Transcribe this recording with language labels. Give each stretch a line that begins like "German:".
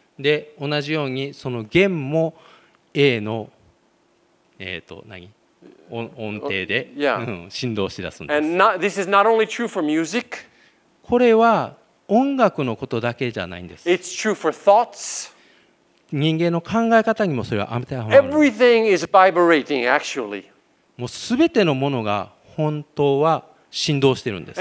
Japanese: で同じようにその弦も A の音程で、
English: yeah.
Japanese: 振動し出すんです。
English: And not, this is not only true for music.
Japanese: これは音楽のことだけじゃないんです。
English: It's true for thoughts.
Japanese: 人間の考え方にもそれは当てはまる。
English: Everything is vibrating, actually.
Japanese: もうすべてのものが本当は振動してるんです。